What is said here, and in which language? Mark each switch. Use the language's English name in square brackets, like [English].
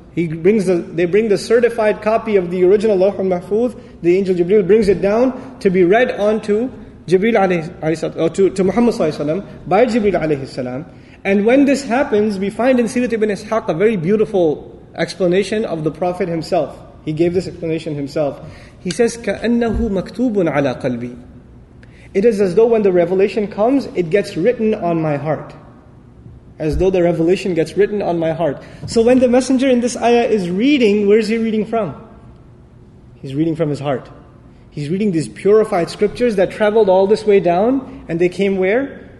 [English] They bring the certified copy of the original Lawh al-Mahfuz. The angel Jibreel brings it down to be read onto Jibreel alayhi salam, or to Muhammad sallallahu alayhi wasallam by Jibreel alayhi salam. And when this happens, we find in Sirat ibn Ishaq a very beautiful explanation of the Prophet himself. He gave this explanation himself. He says, [Arabic] كَأَنَّهُ مَكْتُوبٌ عَلَىٰ قَلْبِي. [English] It is as though when the revelation comes, it gets written on my heart. As though the revelation gets written on my heart. So when the messenger in this ayah is reading, where is he reading from? He's reading from his heart. He's reading these purified scriptures that traveled all this way down, and they came where?